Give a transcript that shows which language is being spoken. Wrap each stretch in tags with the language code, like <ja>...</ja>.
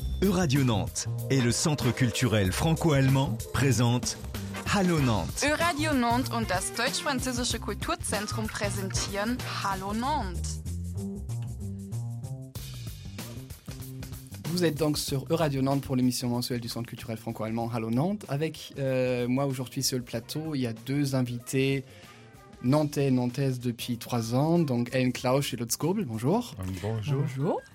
<fr>Radio Nantes et le Centre culturel franco-allemand présentent Hallo Nantes.</fr> <de>Radio Nantes und das deutsch-französische Kulturzentrum präsentieren Hallo Nantes.</de> <fr>Vous êtes donc sur Euradio Nantes pour l'émission mensuelle du Centre culturel franco-allemand Hallo Nantes. Avec moi aujourd'hui sur le plateau, il y a deux invités nantais et nantaises depuis 3 ans, donc Hélène Klausch et Lutz Gobel, bonjour. Bonjour. Bonjour.</fr>